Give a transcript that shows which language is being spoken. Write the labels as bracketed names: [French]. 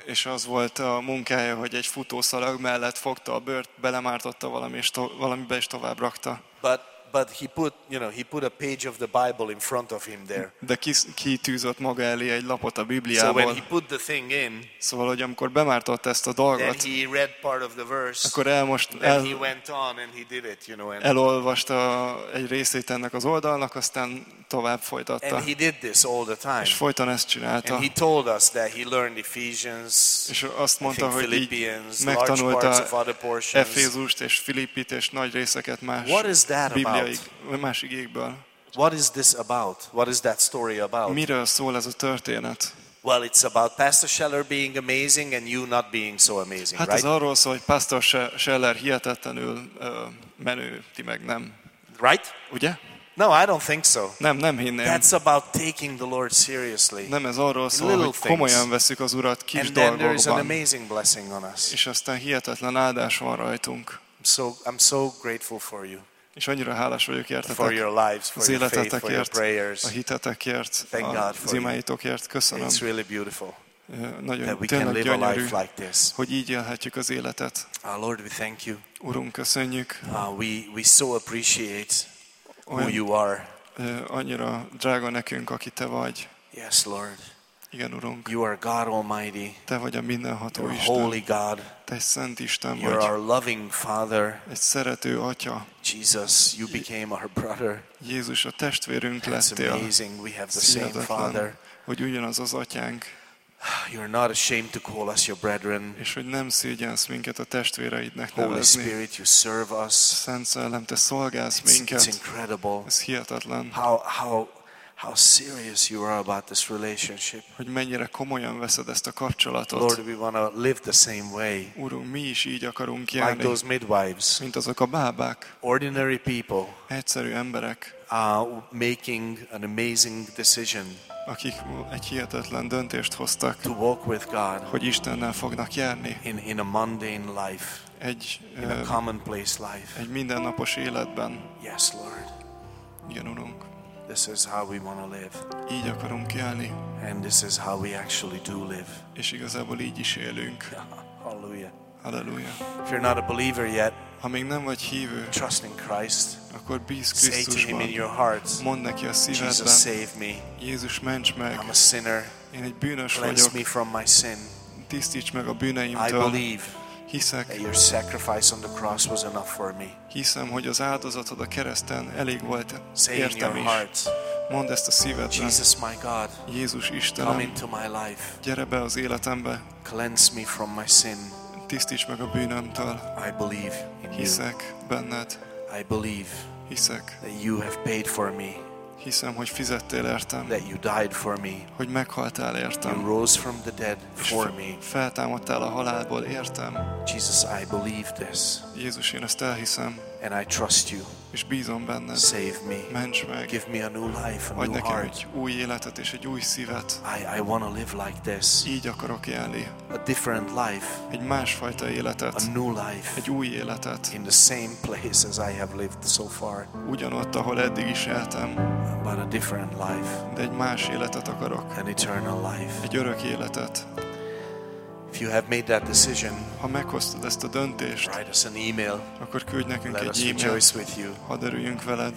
[Hungarian] És az volt a munkája, hogy egy futószalag mellett fogta a bőrt, belemártotta valamibe és tovább rakta. [English] But he put a page of the Bible in front of him there. [Hungarian] De kitűzött maga elé egy lapot a Bibliából. [English] So when he put the thing in, [Hungarian] szóval, hogy amikor bemártott ezt a dolgot, [English] then he read part of the verse, [Hungarian] akkor [English] he went on and he did it, you know. And [Hungarian] elolvasta egy részét ennek az oldalnak, aztán tovább folytatta. [English] And he did this all the time. [Hungarian] És folyton ezt csinálta. [English] And he told us that he learned Ephesians, [Hungarian] és azt mondta, hogy [English] Philippians, [Hungarian] megtanulta [English] large parts of other portions. [Hungarian] Efézust és Filippit és nagy részeket más. [English] What is that [Hungarian] Biblia [English] about? [Hungarian] Más igékből. [English] What is this about? What is that story about? [Hungarian] Miről szól ez a történet? [English] Well, it's about Pastor Scheller being amazing and you not being so amazing, [Hungarian] hát Hát ez arról szól, hogy Pastor Scheller hihetetlenül menő, ti meg nem. [English] Right? [Hungarian] Ugye? [English] No, I don't think so. [Hungarian] Nem hinném. [English] That's about taking the Lord seriously. [Hungarian] Nem ez arról szól, hogy komolyan veszük az Urat kis [English] and [Hungarian] dolgokban. [English] And there is an amazing blessing on us. [Hungarian] És aztán hihetetlen áldás van rajtunk. [English] So I'm so grateful for you. [Hungarian] És annyira hálás vagyok értetek, [English] for your lives, for [Hungarian] az életetekért, [English] your faith, for your [Hungarian] a hitetekért, [English] thank God [Hungarian] az imáitokért. Köszönöm. [English] It's really beautiful [Hungarian] nagyon, [English] that we can live [Hungarian] gyönyörű, [English] a life like this. [Hungarian] Hogy így élhetjük az életet. [English] Lord, we thank you. [Hungarian] Urunk, köszönjük. [English] We so appreciate who you are. [Hungarian] Annyira drága nekünk, aki te vagy. [English] Yes, Lord. [Hungarian] Igen, Urunk. [English] You are God Almighty. [Hungarian] Te vagy a mindenható [English] You're [Hungarian] Isten. [English] Holy God. [Hungarian] Te egy szent Isten [English] You're [Hungarian] vagy. [English] Our loving Father. [Hungarian] Egy szerető Atya. [English] Jesus, you became our brother. [Hungarian] Jézus a testvérünk [English] That's [Hungarian] lettél. [English] Amazing. We have the same Father. [Hungarian] Hogy ugyanaz az Atyánk. [English] You're not ashamed to call us your brethren. [Hungarian] És hogy nem szégyensz minket a testvéreidnek [English] Holy [Hungarian] nevezni. [English] Holy Spirit, you serve us. [Hungarian] Szent Szellem, te szolgálsz minket. [English] It's incredible. [Hungarian] Ez hihetetlen. [English] How serious you are about this relationship. [Hungarian] Hogy mennyire komolyan veszed ezt a kapcsolatot. [English] Lord, we want to live the same way. [Hungarian] Urunk, mi is így akarunk élni. [English] Like those midwives. [Hungarian] Mint azok a bábák. [English] Ordinary people. [Hungarian] Egyszerű emberek. [English] Making an amazing decision. [Hungarian] akik egy hihetetlen döntést hoztak, [English] to walk with God, [Hungarian] hogy Istennel fognak járni. [English] In a mundane life, [Hungarian] egy, [English] in a commonplace life, [Hungarian] egy mindennapos életben. [English] Yes, Lord. [Hungarian] Igen, Urunk. [English] This is how we want to live. [Hungarian] Így akarunk élni. [English] And this is how we actually do live. [Hungarian] És igazából így is élünk. [English] Hallelujah. [Hungarian] Hallelujah. [English] If you're not a believer yet, [Hungarian] ha még nem vagy hívő, [English] trust in Christ. [Hungarian] Akkor bízz Krisztusban. [English] Say to him in your hearts, [Hungarian] mondd neki a szívedben, [English] Jesus, save me. [Hungarian] Jézus, ments meg. [English] I'm a sinner. [Hungarian] Én egy bűnös [English] Cleanse [Hungarian] vagyok. [English] Me from my sin. [Hungarian] Tisztíts meg a bűneimtől. [English] I believe. [Hungarian] Hiszek, [English] that your sacrifice on the cross was enough for me. [Hungarian] Hiszem, hogy az áldozatod a kereszten elég volt. [English] Say in your hearts, [Hungarian] mondd ezt a szívedben. [English] Jesus, my God. [Hungarian] Jézus Istenem. [English] Come into my life. [Hungarian] Gyere be az életembe. [English] Cleanse me from my sin. [Hungarian] Tisztíts meg a bűnömtől. [English] I believe in [Hungarian] Hiszek [English] you. [Hungarian] Benned. [English] I believe. [Hungarian] Hiszek. [English] That you have paid for me. [Hungarian] Hiszem, hogy fizettél értem. [English] That you died for me. [Hungarian] Hogy meghaltál értem. [English] You rose from the dead for me. [Hungarian] Feltámadtál a halálból értem. [English] Jesus, I believe this. [Hungarian] Jézus, én ezt elhiszem. [English] And I trust you. [Hungarian] És bízom benned. [English] Save me. [Hungarian] Ments meg. [English] Give me a new life, [Hungarian] adj [English] a new heart. [Hungarian] Egy új életet és egy új szívet. [English] I want to live like this. [Hungarian] Így akarok élni. [English] A different life. [Hungarian] Egy másfajta életet. [English] A new life. [Hungarian] Egy új életet. [English] In the same place as I have lived so far. [Hungarian] Ugyanott, ahol eddig is éltem. [English] But a different life. [Hungarian] De egy más életet akarok. [English] An eternal life. [Hungarian] Egy örök életet. [English] If you have made that decision, [Hungarian] ha meghoztad ezt a döntést, [English] write us an email, [Hungarian] akkor küldj nekünk [English] let [Hungarian] egy e-mailt, [English] rejoice with you. [Hungarian] Hadd örüljünk veled.